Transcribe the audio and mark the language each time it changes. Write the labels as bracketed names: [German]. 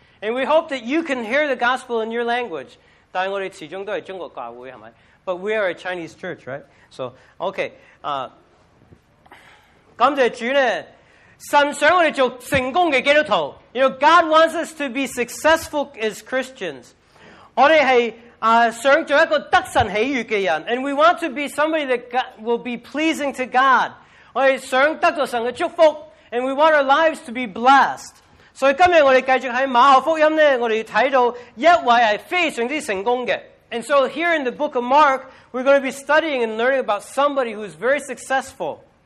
[English] And we hope that you can hear the gospel in your language. [Cantonese] 但我哋始終都係中國教會係咪 [English] ？But we are a Chinese church, right? So, okay. [Cantonese] 感謝主呢。神想我哋做成功嘅基督徒。 [English] You know, God wants us to be successful as Christians. [Cantonese] 我哋係想做一個得神喜悅嘅人。 [English] And we want to be somebody that will be pleasing to God. [Cantonese] 我哋想得到神嘅祝福。 [English] And we want our lives to be blessed. [Cantonese] 所以今日我哋繼續喺馬可福音呢，我哋睇到一位係非常之成功嘅。 [English] And so here in the book of Mark, we're going to be studying and learning about somebody who is very successful.